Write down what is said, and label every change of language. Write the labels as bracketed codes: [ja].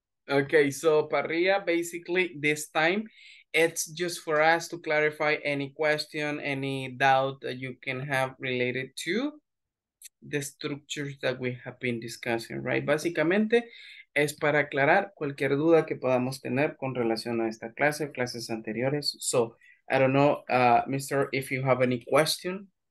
[en] Okay, so Parrilla, basically this time it's just for us to clarify any question, any doubt that you can have related to the structures that we have been discussing, right? [es] Básicamente es para aclarar cualquier duda que podamos tener con relación a esta clase, clases anteriores. [en] So, I don't know, Mr., if you have any question.